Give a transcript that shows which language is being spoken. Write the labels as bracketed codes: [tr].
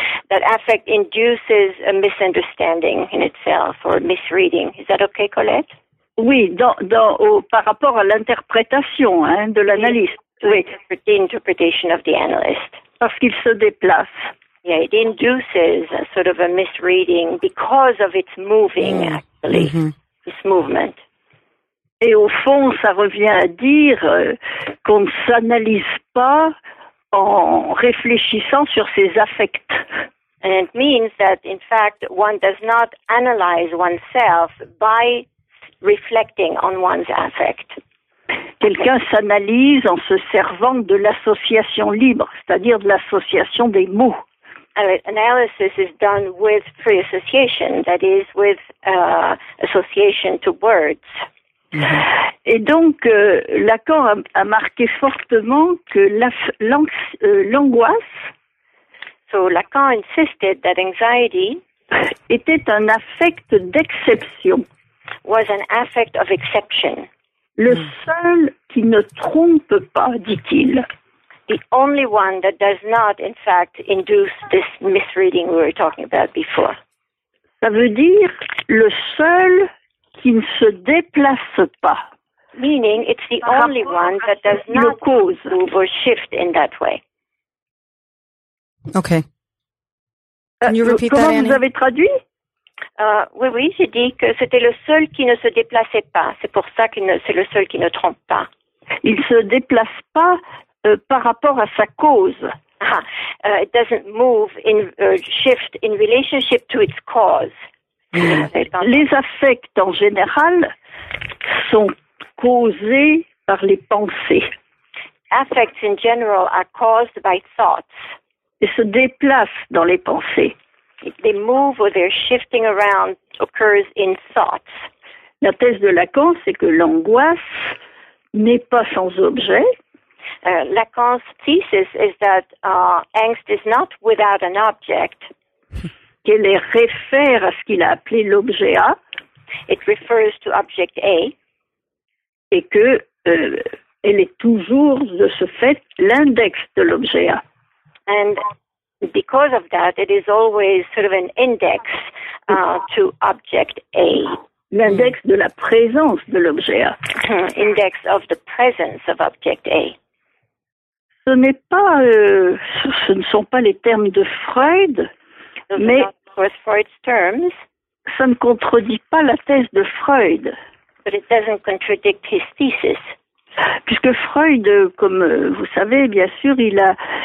[en] That affect induces a misunderstanding in itself or misreading. Is that okay, Colette? [fr] Oui, par rapport à l'interprétation de l'analyste. [en] The interpretation of the analyst. [fr] Parce qu'il se déplace. [en] Yeah, it induces a sort of a misreading because of its moving, actually, its movement. [fr] Et au fond, ça revient à dire qu'on ne s'analyse pas en réfléchissant sur ses affects. [en] And it means that, in fact, one does not analyze oneself by reflecting on one's affect. [fr] Quelqu'un s'analyse en se servant de l'association libre, c'est-à-dire de l'association des mots. [en] Analysis is done with free association, that is, with association to words. [fr] Et donc, Lacan a marqué fortement que l'angoisse, [en] so Lacan insisted that anxiety [fr] était un affect d'exception. [en] Was an affect of exception. [fr] Le seul qui ne trompe pas, dit-il. [en] The only one that does not, in fact, induce this misreading we were talking about before. [fr] Ça veut dire le seul qui ne se déplace pas. [en] Meaning, it's the only one that does not cause move or shift in that way. Okay. Can you repeat [fr] comment [en] that, [fr] vous avez traduit? Oui, j'ai dit que c'était le seul qui ne se déplaçait pas. C'est pour ça que c'est le seul qui ne trompe pas. Il ne se déplace pas par rapport à sa cause. [en] It doesn't move in shift in relationship to its cause. [fr] Les affects en général sont causés par les pensées. [en] Affects in general are caused by thoughts. [fr] Ils se déplacent dans les pensées. [en] They move or they're shifting around occurs in thoughts. [fr] La thèse de Lacan, c'est que l'angoisse n'est pas sans objet. [en] Lacan's thesis is that angst is not without an object. [fr] Qu'elle est réfère à ce qu'il a appelé l'objet A. [en] It refers to object A. [fr] Et que elle est toujours, de ce fait, l'index de l'objet A. [en] And because of that, it is always sort of an index to object A. [fr] L'index de la présence de l'objet A. [en] Index of the presence of object A. [fr] Ce n'est pas, ce ne sont pas les termes de Freud, mais [en] Freud's terms. [fr] Ça ne contredit pas la thèse de Freud. [en] But it doesn't contradict his thesis. [fr] Puisque Freud, comme vous savez, bien sûr, il a